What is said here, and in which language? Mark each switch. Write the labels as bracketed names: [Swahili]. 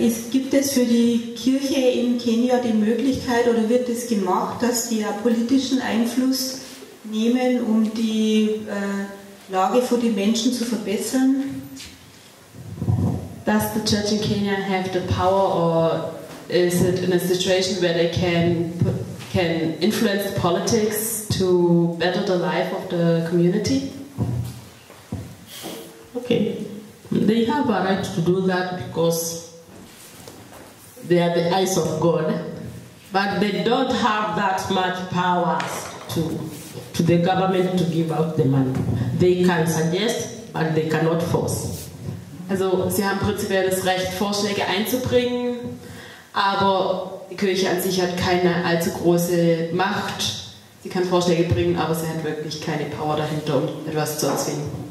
[German] Gibt es für die Kirche in Kenia die Möglichkeit oder wird es gemacht, dass sie ja politischen Einfluss nehmen, um die Lage für die Menschen zu verbessern? [English] Does the church in Kenya have the power or is it in a situation where they can influence politics to better the life of the community? Okay. They have a right to do that because they are the eyes of God, but they don't have that much powers to the government to give out the money. They can suggest, but they cannot force. [German] Also, sie haben prinzipiell das Recht, Vorschläge einzubringen, aber die Kirche an sich hat keine allzu große Macht. Sie kann Vorschläge bringen, aber sie hat wirklich keine Power dahinter, um etwas zu erzwingen.